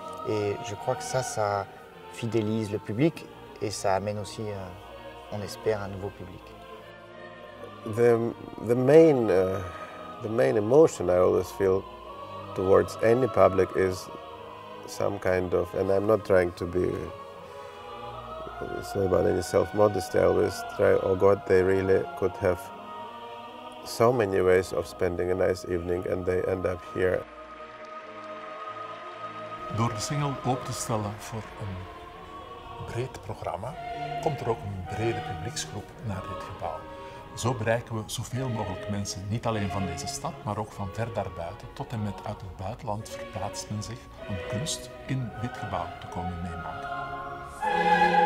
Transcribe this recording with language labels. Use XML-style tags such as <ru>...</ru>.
<fr>Et je crois que ça fidélise le public. Et ça amène aussi, on espère, un nouveau public.</fr> <en>The main emotion I always feel towards any public is some kind of, and I'm not trying to be It's not about any self-modesty. I always try, oh God, they really could have so many ways of spending a nice evening and they end up here.</en> <nl>Door de single open te stellen voor een breed programma, komt er ook een brede publieksgroep naar dit gebouw. Zo bereiken we zoveel mogelijk mensen, niet alleen van deze stad, maar ook van ver daarbuiten. Tot en met uit het buitenland verplaatst men zich om kunst in dit gebouw te komen meemaken.</nl>